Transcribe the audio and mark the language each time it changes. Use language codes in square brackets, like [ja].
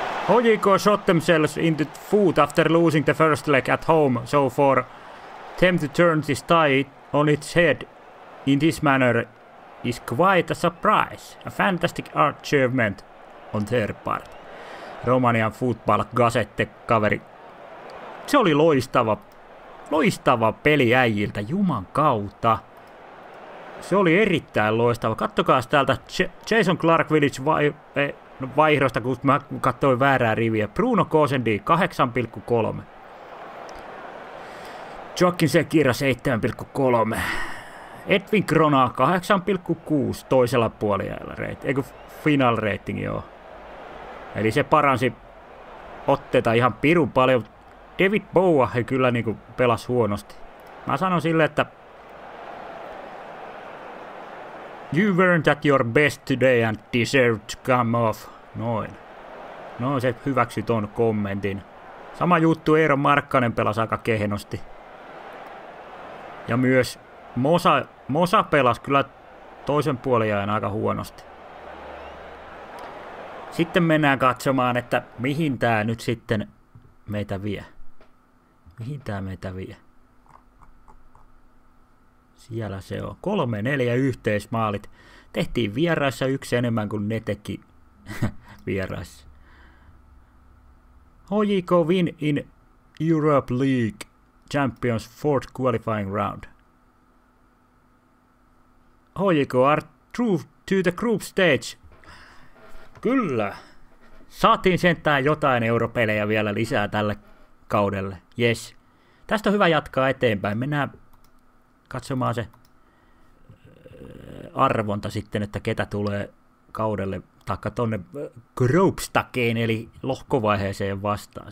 [en] HJK shot themselves in the foot after losing the first leg at home, so for them to turn this tie on its head in this manner is quite a surprise. A fantastic achievement on their part. Romanian football gazette [fi] kaveri. Se oli loistava. Loistava peli äijiltä, juman kautta. Se oli erittäin loistava. Kattokaa täältä Jason Clark Village vaihdosta, kun mä katsoin väärää riviä. Bruno Gosendi 8,3. Joaquin Sekira 7,3. Edwin Krona 8,6 toisella puolella. Eiku final rating, joo. Eli se paransi otteita ihan pirun paljon. David Bowa he kyllä niinku pelas huonosti. Mä sanon sille, että [en] you weren't at your best today and deserved to come off. [fi] Noin. No se hyväksy ton kommentin. Sama juttu, Eero Markkanen pelas aika kehenosti. Ja myös Mosa pelas kyllä toisen puolen ajan aika huonosti. Sitten mennään katsomaan, että mihin tää nyt sitten meitä vie. Mihin tää meitä vie? Siellä se on. 3-4 yhteismaalit. Tehtiin vieraissa yksi enemmän kuin ne teki vieraissa. [en] HJK win in Europe League. Champions fourth qualifying round. HJK are through to the group stage. [fi] Kyllä. Saatiin sentään jotain europelejä vielä lisää tälle kaudelle. [en] Yes. [fi] Tästä on hyvä jatkaa eteenpäin. Mennään katsomaan se arvonta sitten, että ketä tulee kaudelle taikka tuonne groupstakeen, eli lohkovaiheeseen vastaan.